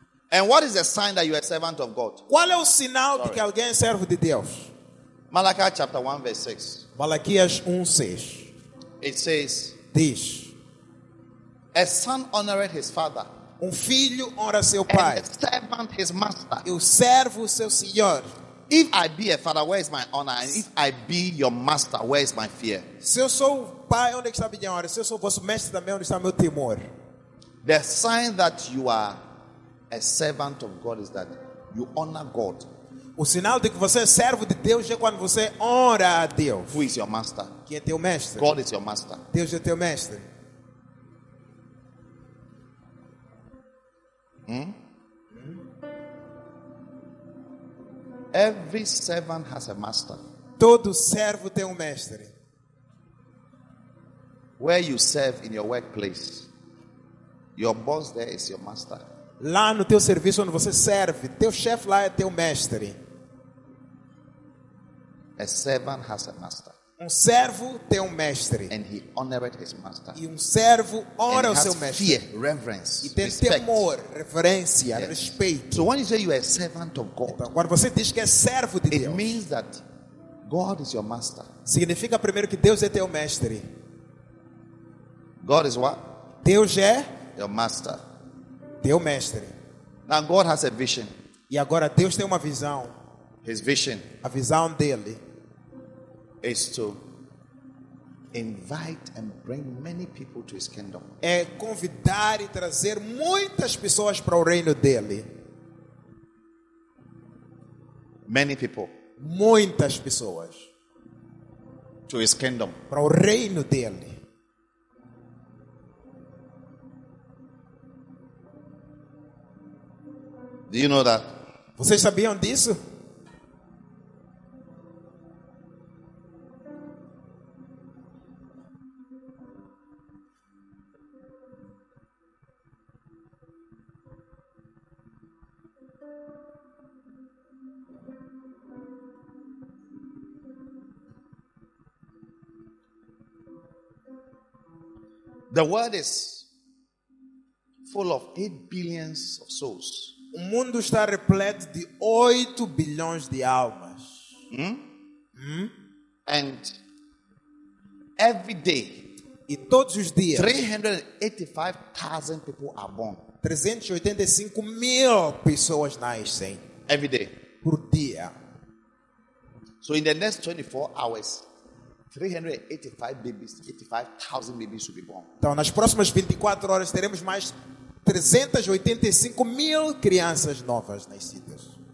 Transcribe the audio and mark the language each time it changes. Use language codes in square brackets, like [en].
[en] And what is the sign that you are a servant of God? [pt] Qual é o sinal de que alguém é servo de Deus? [en] Malachi chapter 1 verse 6. [pt] Malaquias 1:6. [en] It says, [pt] diz, [en] a son honoreth his father. [pt] Um filho honra seu pai. [en] And a servant his master. [pt] E o servo seu senhor. [en] If I be a father, where is my honor? And if I be your master, where is my fear? [pt] Se eu sou pai, onde está a minha honra? Se eu sou vosso mestre também, onde está meu temor? [en] The sign that you are a servant of God is that you honor God. [pt] O sinal de que você é servo de Deus é quando você honra a Deus. [en] Who is your master? [pt] Que é teu mestre. [en] God is your master. [pt] Deus é teu mestre. [en] Every servant has a master. [pt] Todo servo tem mestre. [en] Where you serve in your workplace, your boss there is your master. [pt] Lá no teu serviço onde você serve, teu chefe lá é teu mestre. [en] A servant has a master. [pt] Servo tem mestre. [en] And he honored his master. [pt] E servo honra [en] and [pt] o seu mestre. [en] Fear, reverence, [pt] e tem [en] respect. [pt] Temor, reverência, yes. Respeito. [en] So when you say you are a servant of God, [pt] então, quando você diz que é servo de [en] it [pt] Deus, [en] it means that God is your master. [pt] Significa primeiro que Deus é teu mestre. [en] God is what? [pt] Deus é [en] your master. [pt] Teu mestre. [en] Now God has a vision. [pt] E agora Deus tem uma visão. [en] His vision. [pt] A visão dele. [en] Is to invite and bring many people to his kingdom. [pt] É convidar e trazer muitas pessoas para o reino dele. [en] Many people. [pt] Muitas pessoas. [en] To his kingdom. [pt] Para o reino dele. [en] Do you know that? [pt] Vocês sabiam disso? [en] The world is full of 8 billion of souls. [pt] O mundo está repleto de 8 bilhões de almas. [en] And every day, [pt] e todos os dias, [en] 385,000 people are born. [pt] 385,000 pessoas nascem. [en] Every day. [pt] Por dia. [en] So in the next 24 hours, 385 babies, 85,000 babies will be born. [pt] Então, nas próximas 24 horas teremos mais 385,000 crianças novas nascidas.